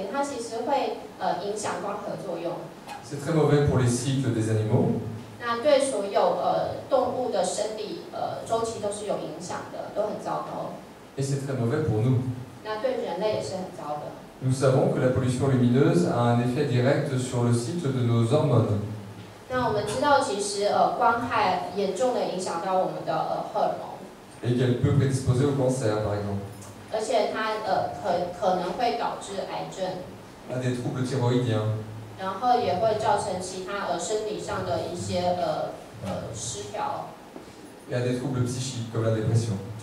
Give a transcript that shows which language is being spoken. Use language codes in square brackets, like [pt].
[zh] 那所以就是说，其实人工月亮这个问题，它其实会影响光合作用。 [fr] C'est très mauvais pour les cycles des animaux. [zh] 那对所有动物的生理周期都是有影响的，都很糟糕。 [fr] Et c'est très mauvais pour nous. [zh] 那对人类也是很糟的。 [fr] Nous savons que la pollution lumineuse a un effet direct sur le cycle de nos hormones. [zh] 那我们知道，其实光害严重的影响到我们的荷尔蒙。 [fr] Et qu'elle peut prédisposer au cancer, par exemple. [zh] 而且它可能会导致癌症。 [fr] À des troubles thyroïdiens. [zh] 然后也会造成其他生理上的一些失调。 [fr] Et à des troubles psychiques comme la dépression.